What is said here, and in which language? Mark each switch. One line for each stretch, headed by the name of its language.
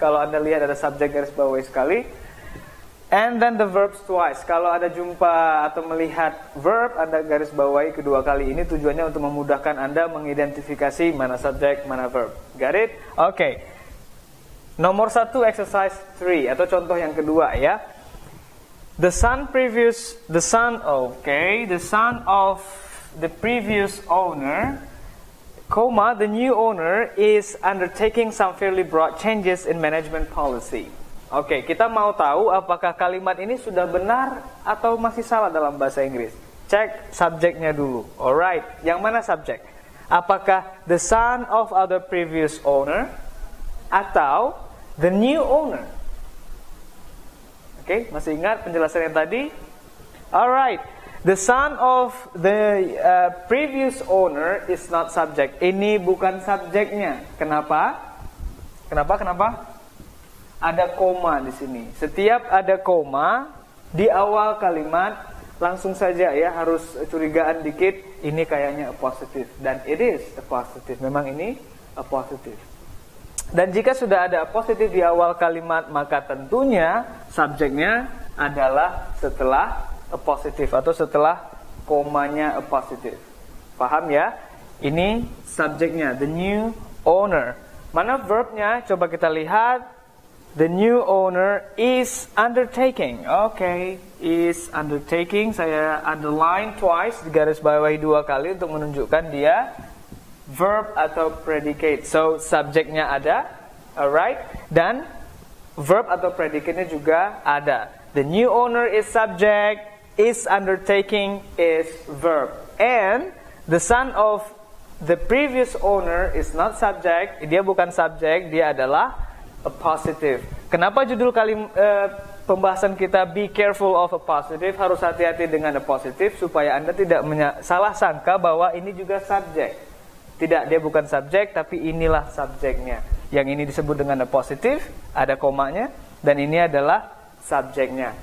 Indonesian: Kalau Anda lihat ada subject garis bawahi sekali.
English: And then the verbs twice.
Indonesian: Kalau ada jumpa atau melihat verb, Anda garis bawahi kedua kali. Ini tujuannya untuk memudahkan Anda mengidentifikasi mana subject, mana verb.
English: Got it?
Indonesian: Oke. Nomor satu, exercise 3 atau contoh yang kedua ya.
English: The son of the previous owner, comma, the new owner is undertaking some fairly broad changes in management policy.
Indonesian: Oke, kita mau tahu apakah kalimat ini sudah benar atau masih salah dalam bahasa Inggris. Cek subjeknya dulu. Alright, yang mana subjek? Apakah
English: the son of other previous owner
Indonesian: atau
English: the new owner?
Indonesian: Oke, okay, masih ingat penjelasan yang tadi?
English: Alright, the son of the previous owner is not subject.
Indonesian: Ini bukan subjeknya. Kenapa? Kenapa? Kenapa? Ada koma di sini. Setiap ada koma di awal kalimat, langsung saja ya harus curigaan dikit. Ini kayaknya
English: a positive, dan it is a positive.
Indonesian: Memang ini
English: a positive.
Indonesian: Dan jika sudah ada positif di awal kalimat, maka tentunya subjeknya adalah setelah a positive atau setelah komanya a positive. Paham ya? Ini subjeknya,
English: the new owner.
Indonesian: Mana verbnya?
English: Coba kita lihat. The new owner is undertaking.
Indonesian: Okay,
English: is undertaking.
Indonesian: Saya
English: underline twice,
Indonesian: digaris bawahi dua kali untuk menunjukkan dia verb atau predicate. So, subjeknya ada, alright, dan verb atau predicate-nya juga ada.
English: The new owner is subject, is undertaking is verb. And the son of the previous owner is not subject.
Indonesian: Dia bukan subject, dia adalah a positive. Kenapa judul kali pembahasan kita
English: be careful of a positive,
Indonesian: harus hati-hati dengan a positive supaya Anda tidak salah sangka bahwa ini juga subject. Tidak, dia bukan subjek, tapi inilah subjeknya. Yang ini disebut dengan a positive, ada komanya, dan ini adalah subjeknya.